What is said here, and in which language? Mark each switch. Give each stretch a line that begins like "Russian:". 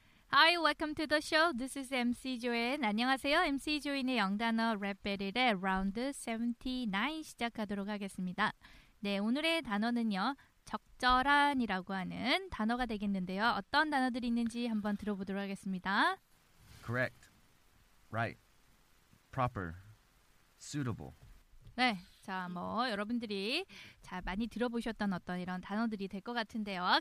English: Hi, welcome to the show. This is MC Joyn.
Korean: 안녕하세요. MC Joyn의 영단어 랩 배틀의 라운드 79 시작하도록 하겠습니다. 네, 오늘의 단어는요. 적절한이라고 하는 단어가 되겠는데요. 어떤 단어들이 있는지 한번 들어보도록 하겠습니다.
English: Correct, right, proper, suitable.
Korean: 네, 자, 뭐 여러분들이 잘 많이 들어보셨던 어떤 이런 단어들이 될 것 같은데요.